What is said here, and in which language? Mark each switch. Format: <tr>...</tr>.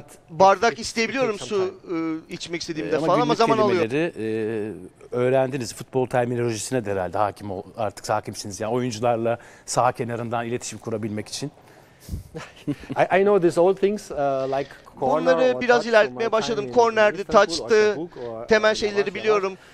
<tr>Bardak isteyebiliyorum su içmek istediğimde falan ama zaman alıyor. Öğrendiniz futbol terminolojisine de herhalde hakimsiniz yani oyuncularla saha kenarından iletişim kurabilmek için.</tr> <en>I know these old things like corner.</en> <tr>Bunları biraz ilerletmeye başladım. Cornerdi, touch'tı, temel şeyleri biliyorum.</tr>